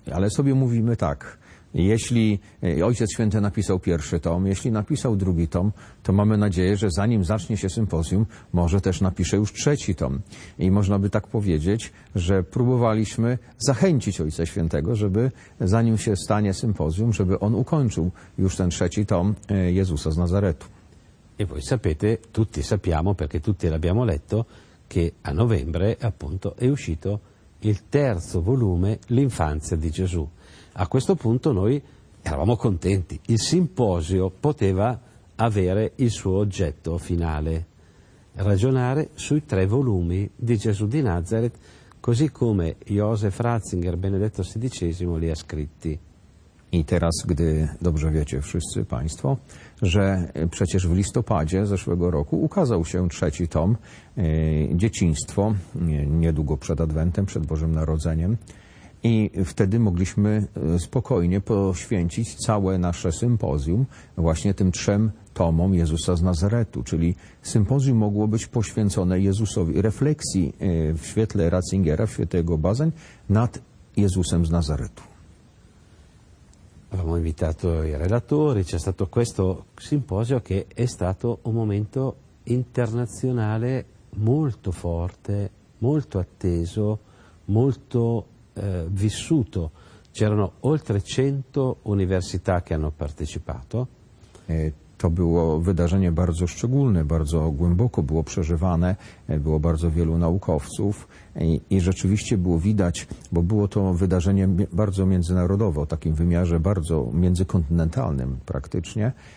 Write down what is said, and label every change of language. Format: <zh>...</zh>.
<pl>Ale sobie mówimy tak. Jeśli Ojciec Święty napisał pierwszy tom, jeśli napisał drugi tom, to mamy nadzieję, że zanim zacznie się sympozjum, może też napisze już trzeci tom. I można by tak powiedzieć, że próbowaliśmy zachęcić Ojca Świętego, żeby zanim się stanie sympozjum, żeby on ukończył już ten trzeci tom Jezusa z Nazaretu.</pl> <it>E voi sapete, tutti sappiamo, perché tutti l'abbiamo letto, che a novembre appunto è uscito il terzo volume L'infanzia di Gesù. A questo punto noi eravamo contenti, il simposio poteva avere il suo oggetto finale, ragionare sui tre volumi di Gesù di Nazaret, così come Josef Ratzinger, Benedetto XVI, li ha scritti.</it> <pl>I teraz, gdy dobrze wiecie wszyscy Państwo, że przecież w listopadzie zeszłego roku ukazał się trzeci tom Dzieciństwo, niedługo przed Adwentem, przed Bożym Narodzeniem, i wtedy mogliśmy spokojnie poświęcić całe nasze sympozjum właśnie tym trzem tomom Jezusa z Nazaretu. Czyli sympozjum mogło być poświęcone Jezusowi, refleksji w świetle Ratzingera, w świetle jego badań nad Jezusem z Nazaretu.</pl> <it>Abbiamo invitato i relatori, c'è stato questo simposio che è stato un momento internazionale molto forte, molto atteso, molto vissuto. C'erano oltre 100 università che hanno partecipato.</it> <pl>To było wydarzenie bardzo szczególne, bardzo głęboko było przeżywane, było bardzo wielu naukowców i rzeczywiście było widać, bo było to wydarzenie bardzo międzynarodowe, o takim wymiarze bardzo międzykontynentalnym praktycznie.</pl>